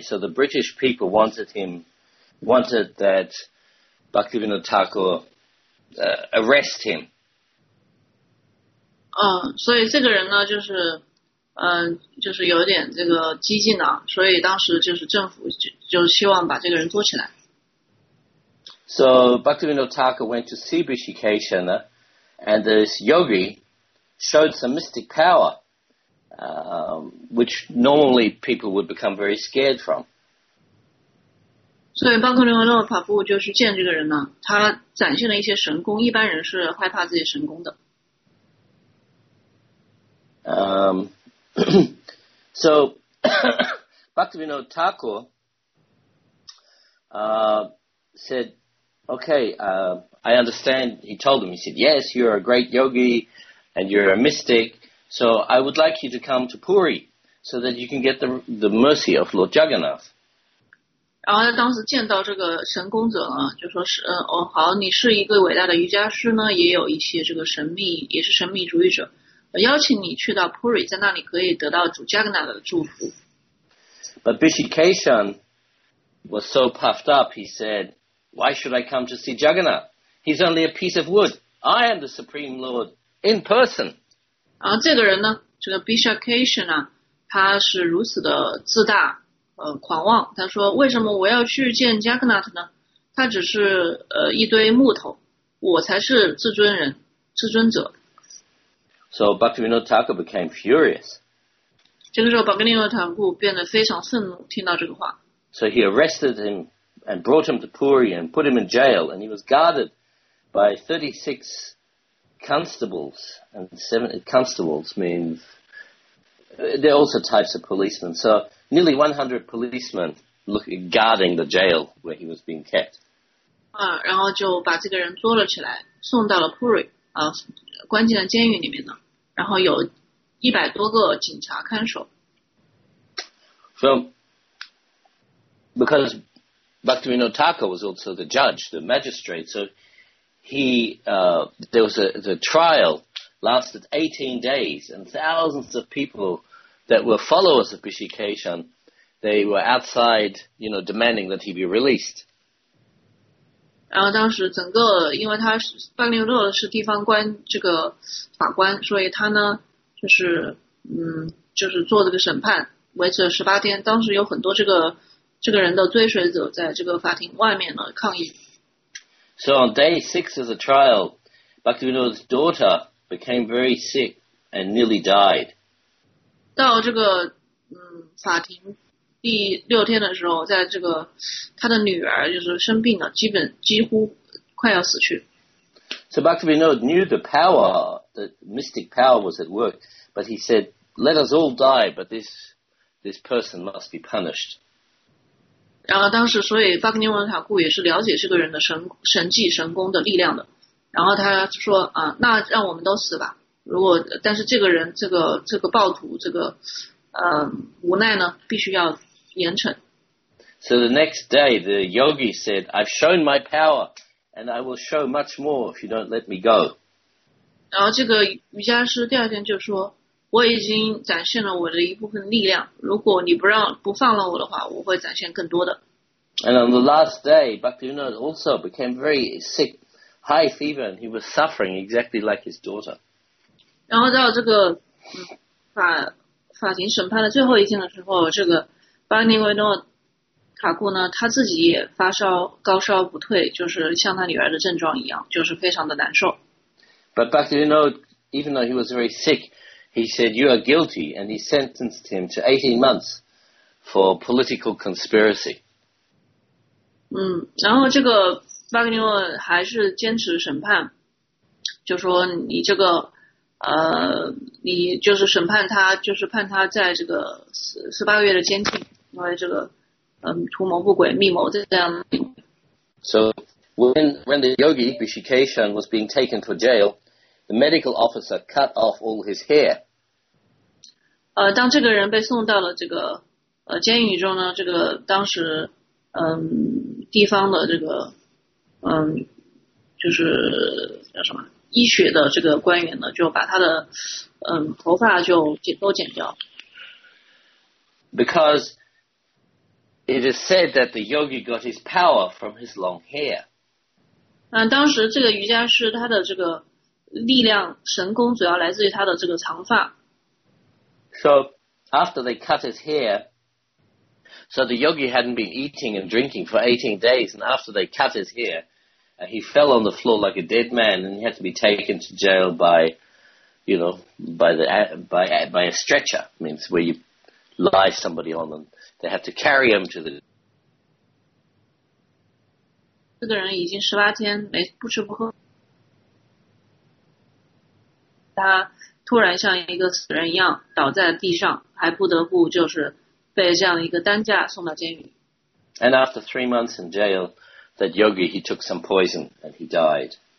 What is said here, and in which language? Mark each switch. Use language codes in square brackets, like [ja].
[en] So the British people wanted that Bhaktivinoda Thakur arrest him. [zh] 所以这个人呢，就是就是有点这个激进的，所以当时就是政府就希望把这个人捉起来。 [en] So Bhaktivinoda Thakur went to see Bhishikeshana, and this yogi showed some mystic power, which normally people would become very scared from. [zh] 所以邦克利文勒法布就是见这个人呢，他展现了一些神功，一般人是害怕自己神功的。 [en] So, Bhaktivinoda Thakur said, okay, I understand, he told him, he said, yes, you're a great yogi and you're a mystic, so I would like you to come to Puri so that you can get the mercy of Lord Jagannath. [zh] 然后他当时见到这个神功者啊，就说是，哦，好，你是一个伟大的瑜伽师呢，也有一些这个神秘，也是神秘主义者。邀请你去到 Puri， 在那里可以得到主加格纳的祝福。 [en] But Bhishikeshan was so puffed up, he said, "Why should I come to see Jagannath? He's only a piece of wood. I am the Supreme Lord in person." [zh] 啊，这个人呢，这个 Bhishikeshan 啊，他是如此的自大，狂妄。他说，为什么我要去见 Jagannath 呢？他只是一堆木头，我才是至尊人，至尊者。 [en] So Bhaktivinoda Thakur became furious. [zh] 这个时候，巴格尼诺塔库变得非常愤怒，听到这个话。 [en] So he arrested him and brought him to Puri and put him in jail, and he was guarded by 36 constables. And constables means they're also types of policemen. So nearly 100 policemen guarding the jail where he was being kept. [zh] 然后就把这个人捉了起来，送到了 Puri 关进了监狱里面呢。然后有一百多个警察看守。 [en] So, because Bhaktivinoda Thakur was also the judge, the magistrate, so the trial lasted 18 days, and thousands of people that were followers of Bhishikeshan, they were outside, you know, demanding that he be released. [zh] 然后当时整个，因为他是班牛勒是地方官这个法官，所以他呢就是就是做这个审判，维持了18天。当时有很多这个人的追随者在这个法庭外面呢抗议。 [en] So on day 6 of the trial, Bhaktivinoda's daughter became very sick and nearly died. [zh] 到这个法庭。第六天的时候，在这个他的女儿就是生病了，几乎快要死去。 [en] So Bhaktivinoda knew the power, the mystic power was at work, but he said, "Let us all die, but this person must be punished." [zh] 然后当时，所以巴格尼文塔库也是了解这个人的神迹、神功的力量的。然后他说：“啊，那让我们都死吧。如果但是这个人，这个暴徒，这个。” 无奈呢，必须要严惩。 [en] So the next day, the yogi said, "I've shown my power, and I will show much more if you don't let me go." [zh] 然后这个瑜伽师第二天就说：“我已经展现了我的一部分力量，如果你不放了我的话，我会展现更多的。” [en] And on the last day, Bhaktivinoda also became very sick, high fever, and he was suffering exactly like his daughter. [zh] 然后到这个法庭审判的最后一天的时候，这个巴尼维诺卡库呢，他自己也发烧，高烧不退，就是像他女儿的症状一样，就是非常的难受。 [en] But Bhaktivinoda, even though he was very sick, he said, "You are guilty," and he sentenced him to 18 months for political conspiracy. [zh] 然后这个巴尼维诺还是坚持审判，就说你这个。你就是审判他，就是判他在这个18个月的监禁，因为这个图谋不轨、密谋这样。 [en] So when the yogi Bhishikeshan was being taken to jail, the medical officer cut off all his hair. [zh] 当这个人被送到了这个监狱中呢，这个当时地方的这个就是叫什么？医学的这个官员呢，就把他的头发就都剪掉。 [en] Because it is said that the yogi got his power from his long hair. [zh] 当时这个瑜伽师他的这个力量神功主要来自于他的这个长发。 [en] So after they cut his hair, so the yogi hadn't been eating and drinking for 18 days, and after they cut his hair. He fell on the floor like a dead man, and he had to be taken to jail by you know, by a stretcher, means where you lie somebody on them. They have to carry them to the. [zh] 这个人已经十八天没不吃不喝。他突然像一个死人一样倒在地上，还不得不就是被这样一个担架送到监狱。 [en] And after 3 months in jail, that yogi he took some poison and he died.